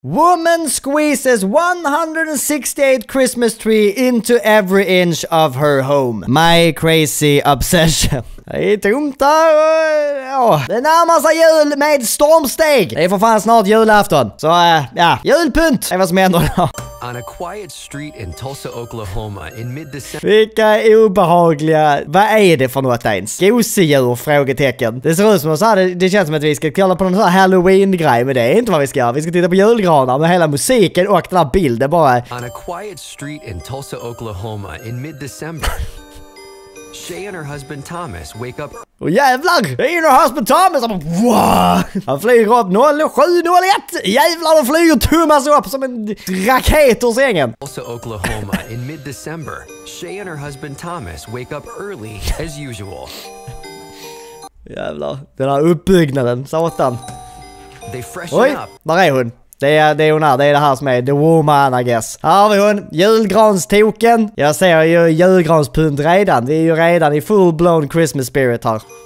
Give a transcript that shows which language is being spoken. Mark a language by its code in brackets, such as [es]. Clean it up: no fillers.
[en] Woman squeezes 168 Christmas tree into every inch of her home. My crazy obsession. [sv] Det är tomt här. Det närmar sig jul med stormsteg. Det är för fan snart julafton. Så ja, julpynt. Det är vad som händer då. [en] On a quiet street in Tulsa, Oklahoma, in mid-December. [sv] Vilka obehagliga. Vad är det för något ens? Gosedjur, frågetecken. Det ser ut som att det känns som att vi ska kolla på någon sån här Halloween-grej. Men det är inte vad vi ska göra. Vi ska titta på julgranar med hela musiken och den här bilden bara. [en] On a quiet street in Tulsa, Oklahoma, in mid-December. Shay and her husband Thomas wake up. [sv] Oh, jävlar! [en] Shay and her husband Thomas! [sv] Han flyger upp 07-01! Jävlar, han flyger Thomas upp som en raket ur sängen! [en] Also Oklahoma, in mid-December, Shay and her husband Thomas wake up early, as usual. [sv] Jävlar, den här uppbyggnaden, satan. [en] They freshen up. [sv] Oj, där är hon. Det är hon här, det är det här som är [en] the woman, I guess. [sv] Här har vi hon, julgranstoken. Jag ser ju julgranspunt redan. Det är ju redan i [en] full-blown Christmas spirit [sv] här.